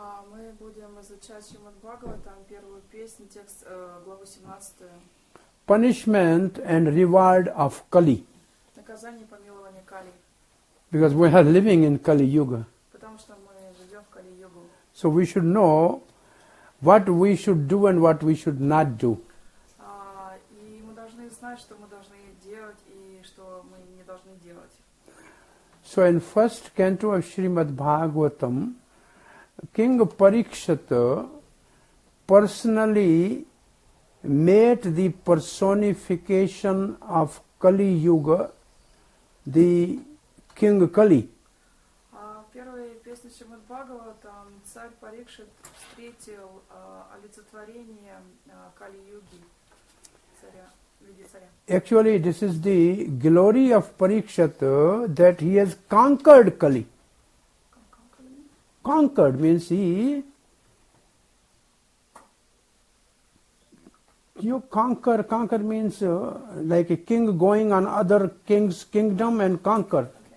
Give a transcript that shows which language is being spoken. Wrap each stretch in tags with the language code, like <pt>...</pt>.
<ru>Мы будем изучать Шримад Бхагаватам, первую песню, текст, главу 17.</ru> <en>Punishment and reward of Kali.</en> <ru>Наказание и помилование Кали.</ru> <en>Because we are living in Kali Yuga.</en> <ru>Потому что мы живем в Кали Югу.</ru> <en>So we should know what we should do and what we should not do.</en> <ru>И мы должны знать, что мы должны делать и что мы не должны делать.</ru> <en>So in first canto of Srimad Bhagavatam, King Parikshit personally met the personification of Kali Yuga, the King Kali.</en> <ru>В первой песне тексте Шримад Бхагаватам царь Парикшит встретил олицетворение Кали-юги, царя.</ru> <en>Actually, this is the glory of Parikshit that he has conquered Kali. Conquered means he, you conquer, conquer means like a king going on other king's kingdom and conquer.</en>